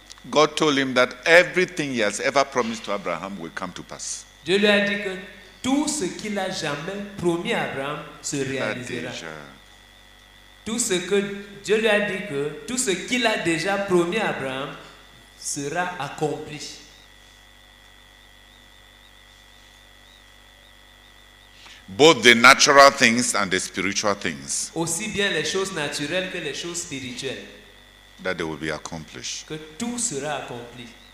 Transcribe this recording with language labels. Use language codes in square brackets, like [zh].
[en] God told him that everything he has ever promised to Abraham will come to pass. [fr] Dieu lui a dit que tout ce qu'il a jamais promis à Abraham se réalisera. Tout ce que Dieu lui a dit que tout ce qu'il a déjà promis à Abraham sera accompli. [en] Both the natural things and the spiritual things. [fr] Aussi bien les choses naturelles que les choses spirituelles. [en] That they will be accomplished. [fr] Que tout sera accompli.